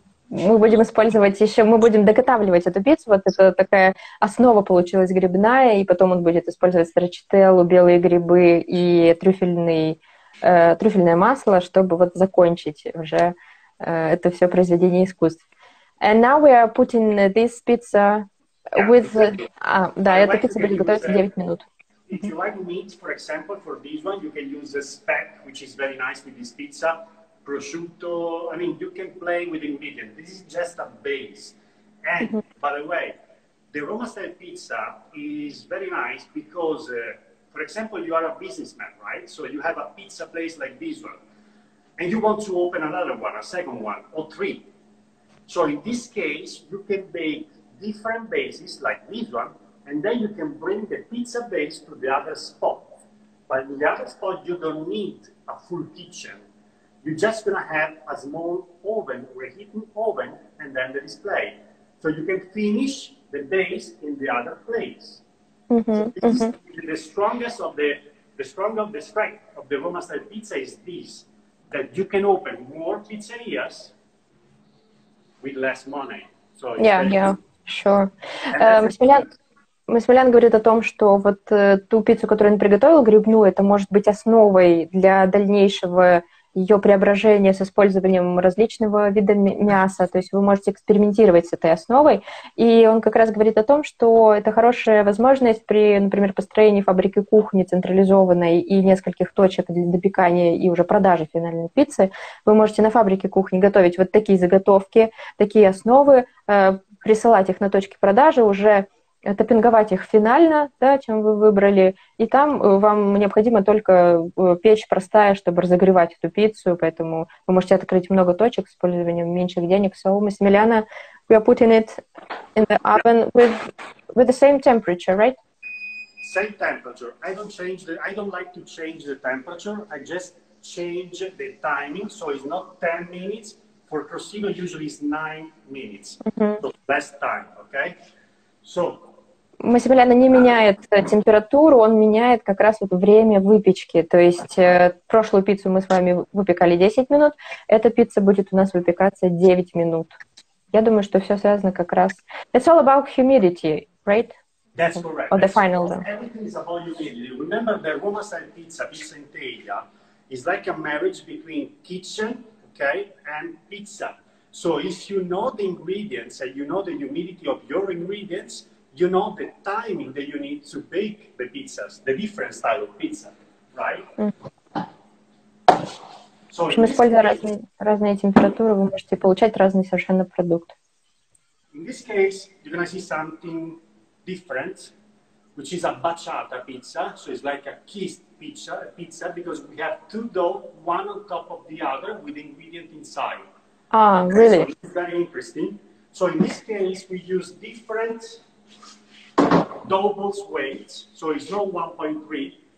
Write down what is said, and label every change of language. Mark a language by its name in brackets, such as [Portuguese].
[Russian] Мы будем использовать еще, мы будем доготавливать эту пиццу. Вот это такая основа получилась грибная, и потом он будет использовать страчителлу, белые грибы и трюфельное масло, чтобы вот закончить уже это все произведение искусств. [English] And now we are putting this pizza with. [Russian] Эта пицца будет готовиться 9 минут. [English] If you like meat, for example, for this one, you can use the speck, which is very nice with this pizza, prosciutto. I mean, you can play with ingredients. This is just a base. And by the way, the Roma style pizza is very nice because, for example, you are a businessman, right? So you have a pizza place like this one, and you want to open another one, a second one, or three. So in this case, you can bake different bases like this one, and then you can bring the pizza base to the other spot. But in the other spot, you don't need a full kitchen. you're just going to have a small oven, reheating oven, and then the display. So you can finish the base in the other place. So this is the strongest of the strongest of the strength of the Roma style pizza is this, that you can open more pizzerias with less money. So, sure. [Russian] Смолян говорит о том, что вот ту пиццу, которую он приготовил, грибную, это может быть основой для дальнейшего ее преображения с использованием различного вида мяса. То есть вы можете экспериментировать с этой основой. И он как раз говорит о том, что это хорошая возможность при, например, построении фабрики кухни централизованной и нескольких точек для допекания и уже продажи финальной пиццы. Вы можете на фабрике кухни готовить вот такие заготовки, такие основы, присылать их на точки продажи уже, топинговать их финально, да, чем вы выбрали, и там вам необходима только печь простая, чтобы разогревать эту пиццу, поэтому вы можете открыть много точек с использованием меньших денег. [English] So, Massimiliano, we are putting it in the oven with the same temperature, right? Same temperature. I don't like to change the temperature, I just change the timing, so it's not 10 minutes, for prosciutto usually it's 9 minutes, so less time, okay? So, [Russian] Массимилиано не меняет температуру, он меняет как раз вот время выпечки. То есть прошлую пиццу мы с вами выпекали 10 минут, эта пицца будет у нас выпекаться 9 минут. Я думаю, что все связано как раз... [English] It's all about humidity, right? That's correct. Or the final one. Everything is about humidity. Remember, the Roma-style pizza, pizza in Italia, is like a marriage between kitchen, okay, and pizza. So if you know the ingredients and you know the humidity of your ingredients, you know the timing that you need to bake the pizzas, the different style of pizza, right? So, [Russian] в общем, используя разные температуры, вы можете получать разный совершенно продукт. [English] In this case, you're going to see something different, which is a bachata pizza. So it's like a kissed pizza, because we have two dough, one on top of the other, with the ingredient inside. Ah, really? So it's very interesting. So in this case, we use different doubles weight, so it's not 1.3.